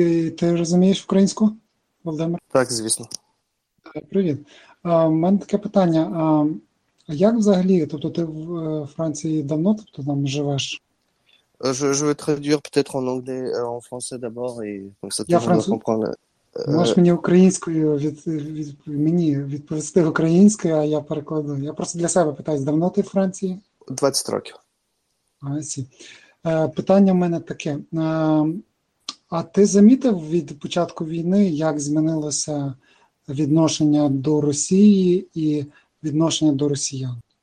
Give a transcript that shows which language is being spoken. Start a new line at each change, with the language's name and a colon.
Ukrainian: Ти розумієш українську, Володимир? Так, звісно. Привіт. У мене таке питання. Як взагалі? Тобто ти в Франції давно, тобто там живеш?
French: Je vais traduire peut-être en anglais, en français d'abord, et comme ça
Ukrainian: Я
French: tout le monde va
Ukrainian: француз.
French: comprendre.
Ukrainian: Можеш мені українською мені відповісти українською, а я перекладу. Я просто для себе питаюсь, давно ти в Франції? 20 років. Питання в мене таке. А ти замітив від початку війни, як змінилося відношення до Росії і відношення до росіян?